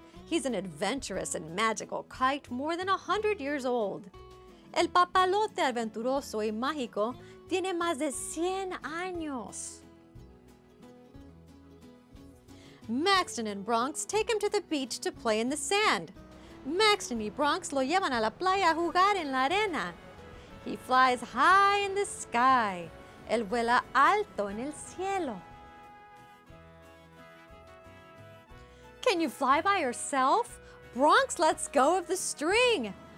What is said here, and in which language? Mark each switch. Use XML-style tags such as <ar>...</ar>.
<en>He's an adventurous and magical kite more than 100 years old.</en> <es>El papalote aventuroso y mágico tiene más de 100 años.</es> <en>Maxton and Bronx take him to the beach to play in the sand.</en> <es>Maxton y Bronx lo llevan a la playa a jugar en la arena.</es> <en>He flies high in the sky.</en> <es>Él vuela alto en el cielo.</es> <en>Can you fly by yourself? Bronx lets go of the string.</en>